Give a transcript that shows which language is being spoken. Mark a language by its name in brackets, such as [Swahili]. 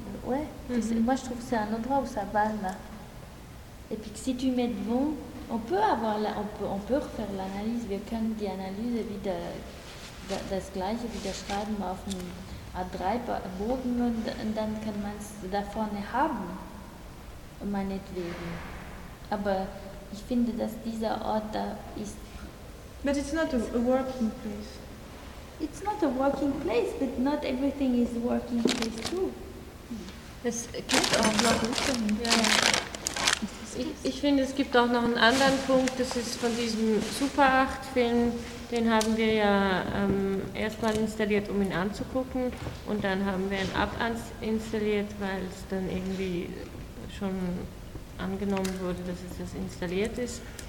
[French] Ouais, moi je trouve que c'est un endroit où ça va là. Et puis que si tu mets devant, on peut avoir la, on peut refaire l'analyse, [German] wir können die Analyse wieder das gleiche wieder schreiben auf dem A3 Bogen und dann kann man es da vorne haben, meinetwegen. Aber ich finde, dass dieser Ort da ist. [English] But it's not a working place. It's not a working place, but not everything is a working place too. [German] Es gibt auch noch gut. Ich finde, es gibt auch noch einen anderen Punkt, das ist von diesem Super 8 Film, den haben wir ja erstmal installiert, um ihn anzugucken, und dann haben wir ihn abinstalliert, weil es dann irgendwie schon angenommen wurde, dass es das installiert ist.